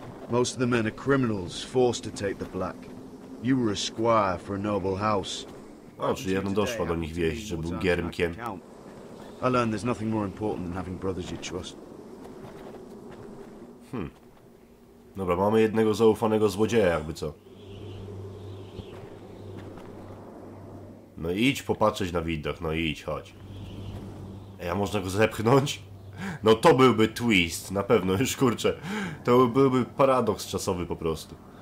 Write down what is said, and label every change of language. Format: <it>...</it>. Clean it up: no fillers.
<en>Most of the men are criminals, forced to take the black. You were a squire for a noble house.</en> <pl>Well, czy jednym doszło do nich wieść, że był giermkiem?</pl> <en>I learned there's nothing more important than having brothers you trust.</en> <pl>Dobra, mamy jednego zaufanego złodzieja, jakby co. No idź popatrzeć na widok, no idź, chodź. Ej, a można go zepchnąć? No to byłby twist, na pewno, już kurczę. To byłby paradoks czasowy po prostu.</pl>